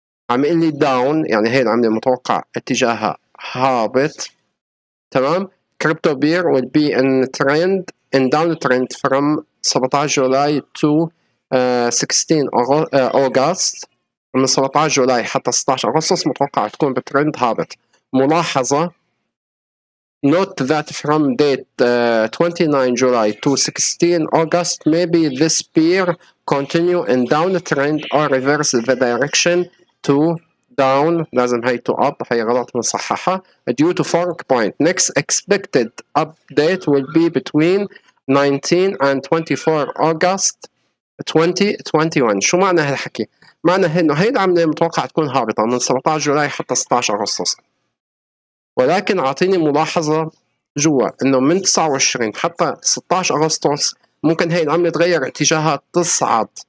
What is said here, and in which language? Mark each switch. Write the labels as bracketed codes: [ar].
[ar] عم يقول لي داون، يعني هي العمله متوقع اتجاهها هابط، تمام؟ [en] crypto bear والبي in trend in down trend from 17 July to 16 August, [ar] من 17 جولاي حتى 16 اغسطس متوقع تكون بترند هابط. ملاحظه، [en] note that from date 29 July to 16 August maybe this pair continue in downtrend or reverse the direction to down. [ar] لازم هي [en] to up، [ar] هي غلط منصححة. [en] due to fork point next expected update will be between 19 and 24 August 2021. [ar] شو معنى هالحكي؟ معنى هنو هي العملية متوقع تكون هابطة من 17 جولاي حتى 16 أغسطس، ولكن اعطيني ملاحظه جوا انه من 29 حتى 16 اغسطس ممكن هاي العمله تغير اتجاهها تصعد،